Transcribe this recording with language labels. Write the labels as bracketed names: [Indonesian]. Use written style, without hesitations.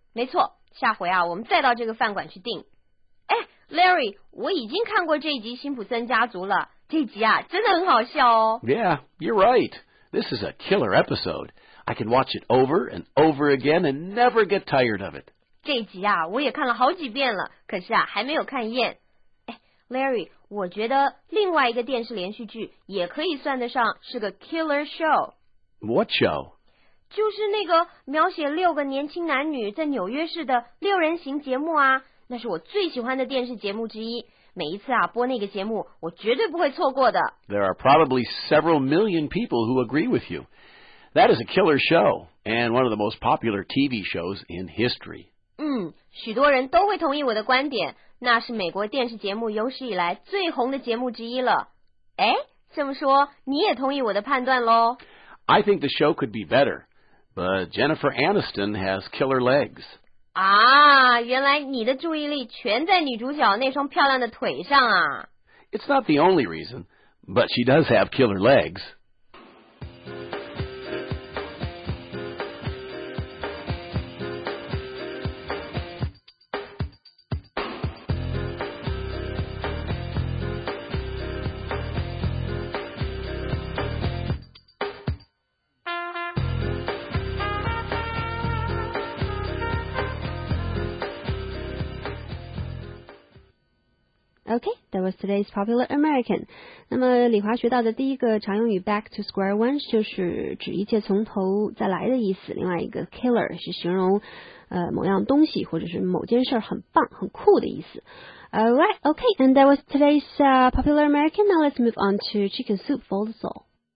[Chinese] 没错，下回啊我们再到这个饭馆去订。哎 ，Larry， 我已经看过这一集辛普森家族了，这集啊真的很好笑哦。 [English] Yeah, you're right. This is a killer episode. I can watch it over and over again and never get tired of it. [Chinese] 这集啊我也看了好几遍了，可是啊还没有看厌。哎 ,Larry, 我觉得另外一个电视连续剧也可以算得上是个 killer show。 [English] What show? [Chinese] 就是那个描写六个年轻男女在纽约市的六人行节目啊，那是我最喜欢的电视节目之一，每一次啊播那个节目我绝对不会错过的。 [English] There are probably several million people who agree with you. That is a killer show, and one of the most popular TV shows in history. [Chinese] 许多人都会同意我的观点，那是美国电视节目有史以来最红的节目之一了。哎，这么说你也同意我的判断咯 [English] ？I think the show could be better, but Jennifer Aniston has killer legs. [Chinese] 啊，原来你的注意力全在女主角那双漂亮的腿上啊 [English] ！It's not the only reason, but she does have killer legs. Okay, that was today's popular American. [Chinese] 那么李华学到的第一个常用语 [English] back to square one [Chinese] 就是指一切从头再来的意思。另外一个 killer 是形容某样东西或者是某件事很棒很酷的意思。 [English] Alright, okay, and that was today's popular American. Now let's move on to chicken soup for the soul.